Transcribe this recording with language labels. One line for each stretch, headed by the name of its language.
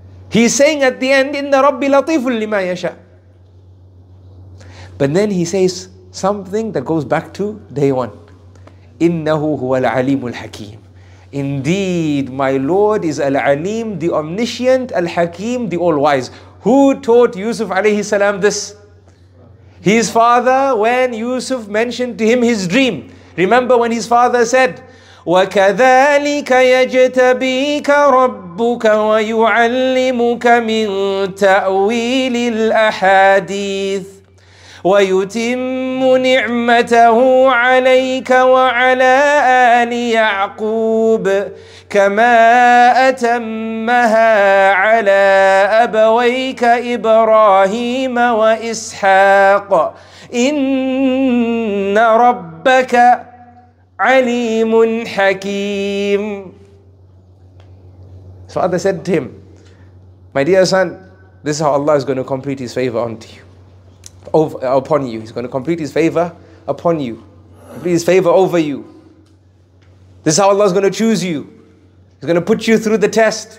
English: He's saying at the end,
Arabic: Inna Rabbi latiful lima yasha.
English: But then he says something that goes back to day one.
Arabic: Innahu huwa al-alimul hakim.
English: Indeed, my Lord is al-alim, the omniscient, al-hakim, the all-wise. Who taught Yusuf alayhi salam this? His father, when Yusuf mentioned to him his dream. Remember when his father said,
Arabic: وَكَذَلِكَ يَجْتَبِيكَ رَبُّكَ وَيُعَلِّمُكَ مِنْ تَأْوِيلِ الْأَحَادِيثِ وَيُتِمُّ نِعْمَتَهُ عَلَيْكَ وَعَلَى آلِ يَعْقُوبَ كَمَا أَتَمَّهَا عَلَى أَبَوَيْكَ إِبْرَاهِيمَ وَإِسْحَاقَ إِنَّ رَبَّكَ Alimun Hakim.
English: His father said to him, my dear son, this is how Allah is going to complete his favor onto you. Upon you. He's going to complete his favor upon you. Complete his favor over you. This is how Allah is going to choose you. He's going to put you through the test.